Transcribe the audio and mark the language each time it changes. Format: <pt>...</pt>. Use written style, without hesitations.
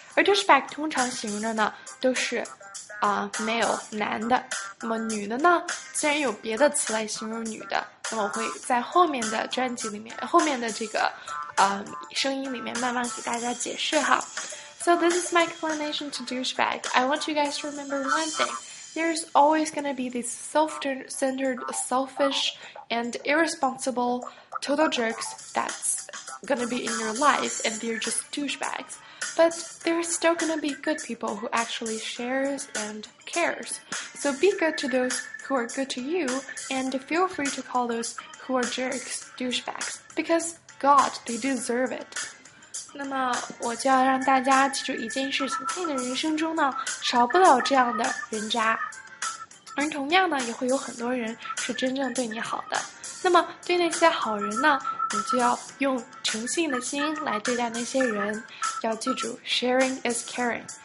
<zh>而 douchebag 通常形容的呢都是male 男的，那么女的呢既然有别的词来形容女的，那么我会在后面的专辑里面，后面的这个声音里面慢慢给大家解释哈。</zh> <en>So this is my explanation to douchebag. I want you guys to remember one thing. There's always gonna be these self-centered, selfish and irresponsible total jerks that's gonna be in your life and they're just douchebags. But there's still gonna be good people who actually shares and cares. So be good to those who are good to you, and feel free to call those who are jerks douchebags. Because God, they deserve it.</en> <zh>那么我就要让大家记住一件事情，在你的人生中呢，少不了这样的人渣。而同样呢，也会有很多人是真正对你好的。那么对那些好人呢，你就要用诚信的心来对待那些人。要记住</zh> <en>sharing is caring，</en>